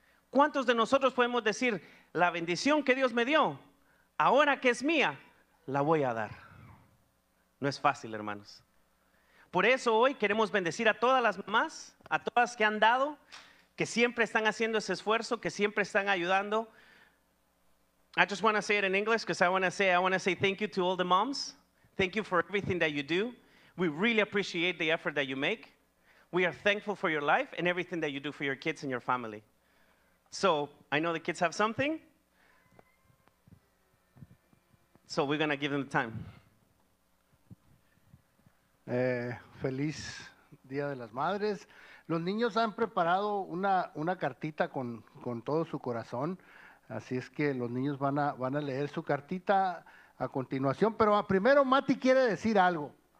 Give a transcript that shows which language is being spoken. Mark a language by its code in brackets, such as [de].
[es] ¿Cuántos de nosotros podemos decir: La bendición que Dios me dio, ahora que es mía, la voy a dar? No es fácil, hermanos. Por eso hoy queremos bendecir a todas las mamás, a todas que han dado, que siempre están haciendo ese esfuerzo, que siempre están ayudando. [en] I just want to say it in English, because I want to say thank you to all the moms. Thank you for everything that you do. We really appreciate the effort that you make. We are thankful for your life and everything that you do for your kids and your family. So I know the kids have something. So we're going to give them the time. [es] Feliz Día de las Madres. Los niños han preparado una cartita con todo su corazón. Así es que los niños van a leer su cartita a continuación, pero primero Mati quiere decir algo.